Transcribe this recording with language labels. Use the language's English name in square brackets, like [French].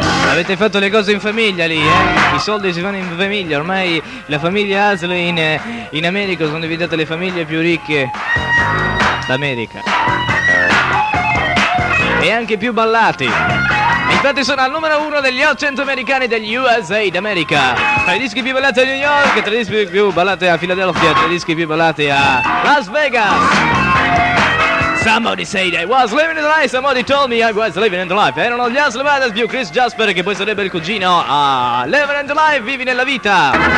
[Italian] Avete fatto le cose in famiglia lì, eh? I soldi si fanno in famiglia, ormai la famiglia Osley in America sono diventate le famiglie più ricche d'America. E anche più ballati. Infatti sono al numero uno degli 800 americani degli USA d'America. Tra i dischi più ballati a New York, tra i dischi più ballati a Philadelphia, tra i dischi più ballati a Las Vegas. [English] Somebody said I was living in the life, somebody told me I was living in the life. [Italian] Erano gli Osley Brothers più Chris Jasper, che poi sarebbe il cugino. Living in the life, vivi nella vita.